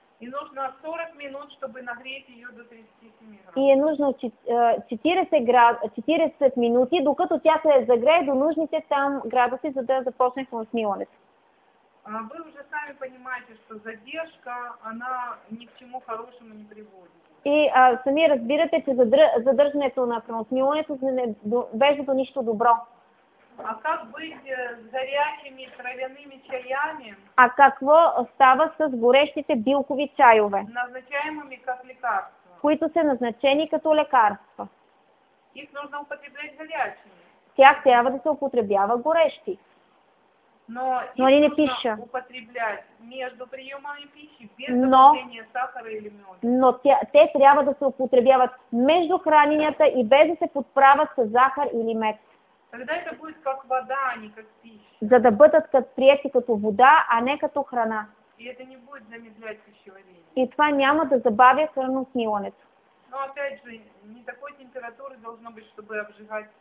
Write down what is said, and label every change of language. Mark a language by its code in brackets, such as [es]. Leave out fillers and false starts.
[ru] И нужно 40 минут, чтобы нагреть ее до 37 градусов. [bg] И е нужно 40 минути, докато тя се загрее до нужните там градуси, за да започне хладосмилането. [ru] Вы уже сами понимаете, что задержка, она ни к чему хорошему не приводит. [bg] И сами разбирате, че задържането на хладосмилането не вежда до нищо добро. [ru] А как быть с горячими травяными чаями? [bg] А какво става с горещите билкови чайове? [ru] Назначаемыми как лекарства. [bg] Които са назначени като лекарства. [ru] Их нужно употреблять горячими. [bg] Тях трябва да се употребява горещи. [ru] Но они не пишут. Употреблять между приемами пищи без добавления сахара или меда. [bg] Но те трябва да се употребяват между храненията и без да се подправят с захар или мед. [ru] Тогда это будет как вода, а не как пища. [bg] За да бъдат приети като вода, а не като храна. [ru] И это не будет замедлять пищеварение. [bg] И това няма да забавя храносмилането. [ru] Но опять же, не такой температуры должно быть, чтобы обжигать.